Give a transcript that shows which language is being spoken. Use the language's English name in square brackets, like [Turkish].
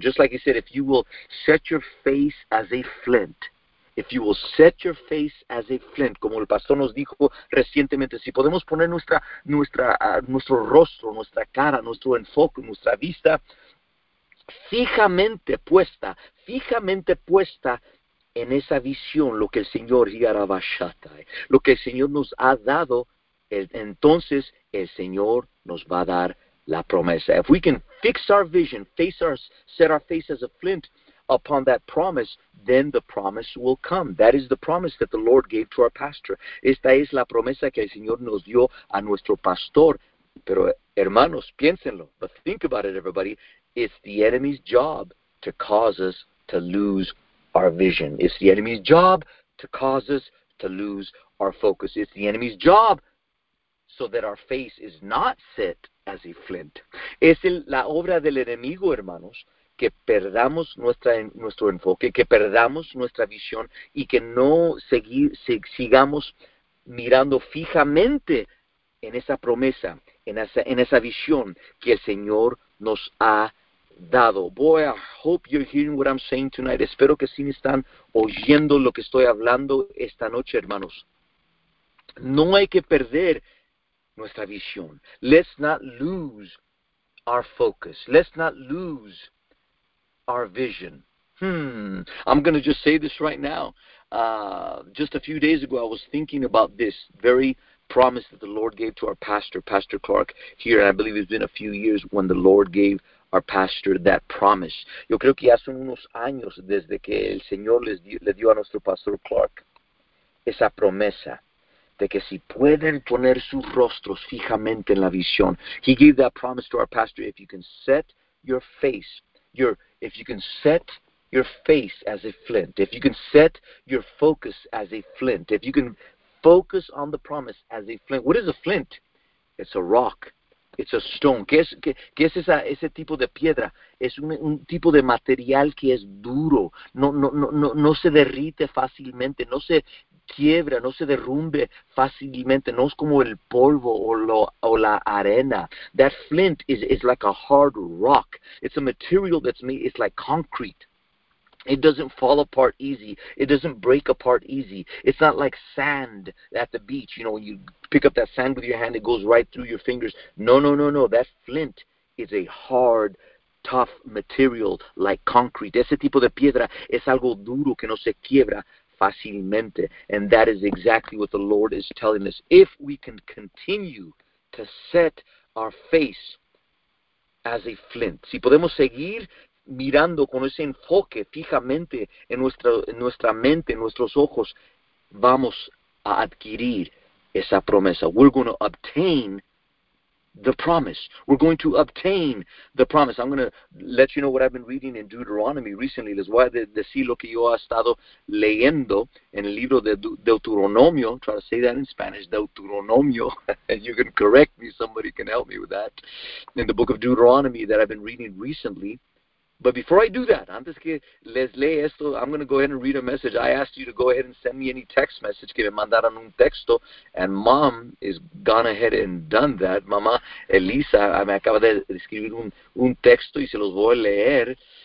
[English] Just like he said, if you will set your face as a flint, [Spanish] if you will set your face as a flint, como el pastor nos dijo recientemente, si podemos poner nuestro rostro, nuestra cara, nuestro enfoque, nuestra vista fijamente puesta en esa visión, lo que el Señor nos ha dado, entonces el Señor nos va a dar la promesa. [English] If we can fix our vision, set our face as a flint upon that promise, then the promise will come. That is the promise that the Lord gave to our pastor. [Spanish] Esta es la promesa que el Señor nos dio a nuestro pastor. Pero hermanos, piénsenlo. [English] But think about it, everybody. It's the enemy's job to cause us to lose our vision. It's the enemy's job to cause us to lose our focus. It's the enemy's job so that our face is not set as a flint. [Spanish] Es la obra del enemigo, hermanos, que perdamos nuestro enfoque, que perdamos nuestra visión y que no sigamos mirando fijamente en esa promesa, en esa visión que el Señor nos ha dado. [English] Boy, I hope you're hearing what I'm saying tonight. [Spanish] Espero que sí me están oyendo lo que estoy hablando esta noche, hermanos. No hay que perder nuestra visión. [English] Let's not lose our focus. Let's not lose our vision. I'm going to just say this right now. Just a few days ago, I was thinking about this very promise that the Lord gave to our pastor, Pastor Clark, here. And I believe it's been a few years when the Lord gave our pastor that promise. [Spanish] Yo creo que ya son unos años desde que el Señor le dio a nuestro pastor Clark esa promesa de que si pueden poner sus rostros fijamente en la visión. [English] He gave that promise to our pastor. If you can set your face, if you can set your face as a flint, if you can set your focus as a flint, if you can focus on the promise as a flint. What is a flint? It's a rock. It's a stone. [Spanish] ¿Qué es ese tipo de piedra? Es un tipo de material que es duro. No se derrite fácilmente. No se quiebra, no se derrumbe fácilmente. No es como el polvo o la arena. [English] That flint is like a hard rock. It's a material that's made, it's like concrete. It doesn't fall apart easy. It doesn't break apart easy. It's not like sand at the beach. You know, when you pick up that sand with your hand, it goes right through your fingers. No. That flint is a hard, tough material like concrete. [Spanish] Ese tipo de piedra es algo duro que no se quiebra fácilmente. [English] And that is exactly what the Lord is telling us. If we can continue to set our face as a flint, [Spanish] si podemos seguir mirando con ese enfoque fijamente en nuestra mente, en nuestros ojos, vamos a adquirir esa promesa. [English] We're going to obtain the promise. We're going to obtain the promise. I'm going to let you know what I've been reading in Deuteronomy recently. [Spanish] Les voy a decir lo que yo he estado leyendo en el libro de Deuteronomio. [English] Try to say that in Spanish, Deuteronomio. And you can correct me. Somebody can help me with that. In the book of Deuteronomy that I've been reading recently. But before I do that, [Spanish] antes que les lea esto, [English] I'm going to go ahead and read a message. I asked you to go ahead and send me any text message, [Spanish] que me mandaran un texto, [English] and Mom is gone ahead and done that. [Spanish] Mamá Elisa me acaba de escribir un texto y se los voy a leer.